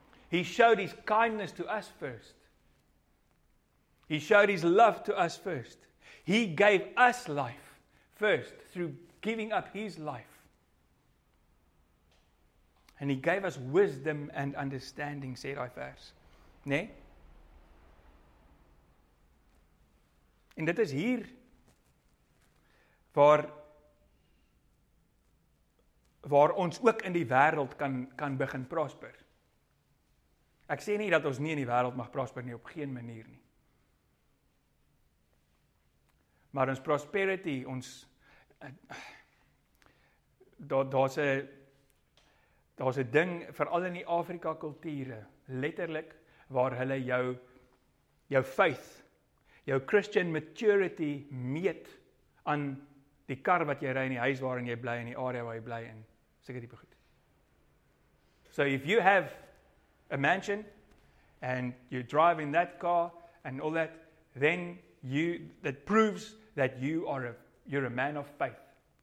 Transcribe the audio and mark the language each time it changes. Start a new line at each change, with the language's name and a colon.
English: He showed his kindness to us first. He showed his love to us first. He gave us life first through giving up his life. And he gave us wisdom and understanding,
Afrikaans: sê daai vers. Nee? En dit is hier waar ons ook in die wêreld kan begin prosper. Ek sê nie dat ons nie in die wêreld mag prosper nie op geen manier nie. Maar ons prosperity, ons daar's 'n ding veral in die Afrika kulture, letterlik waar hulle jou faith, jou
English: Christian maturity
Afrikaans: meet aan die kar wat jy ry in die huis waarin jy bly in die area waar jy bly in. Seker tipe goed.
English: So if you have a mansion and you drive in that car and all that, then that proves that you're a man of faith.